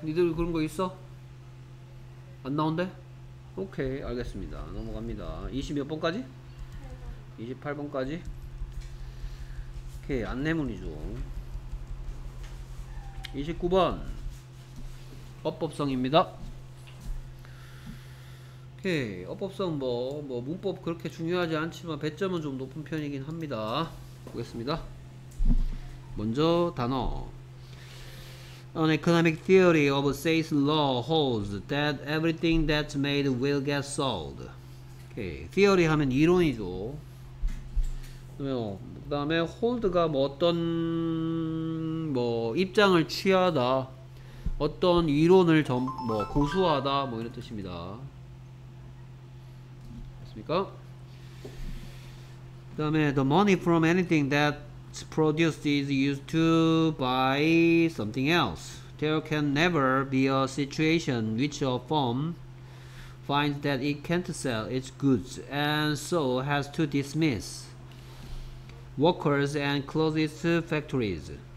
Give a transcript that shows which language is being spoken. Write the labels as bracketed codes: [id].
[ko] 니들 그런 거 있어? 안 나온대? 오케이 알겠습니다. 넘어갑니다. 20몇 번까지? 28번까지? 오케이 안내문이죠. 29번 어법성입니다. 오케이 어법성 뭐 문법 그렇게 중요하지 않지만 배점은 좀 높은 편이긴 합니다. 보겠습니다. 먼저 단어 [en] An economic theory of Say's law holds that everything that's made will get sold. [ko] Okay. Theory 하면 이론이죠. 그 다음에 hold가 뭐 어떤 뭐 입장을 취하다 어떤 이론을 좀 뭐 고수하다 뭐 이런 뜻입니다. 맞습니까? 그 다음에 [en] the money from anything that's produced is used to buy something else. There can never be a situation which a firm finds that it can't sell its goods and so has to dismiss workers and close its factories.